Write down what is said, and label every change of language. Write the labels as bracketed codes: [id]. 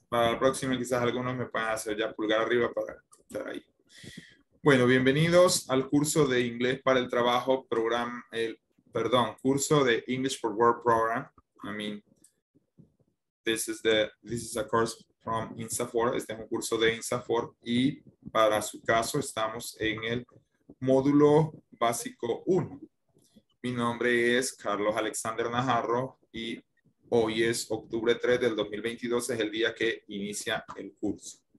[es] Para el próximo, quizás algunos me puedan hacer ya pulgar arriba para estar ahí. Bueno, bienvenidos al curso de inglés para el trabajo program, curso de English for Work program. [en] I mean, this is a course from INSAFOR. [es] Este es un curso de INSAFOR y... Para su caso, estamos en el módulo básico 1. Mi nombre es Carlos Alexander Najarro y hoy es octubre 3 del 2022, es el día que inicia el curso.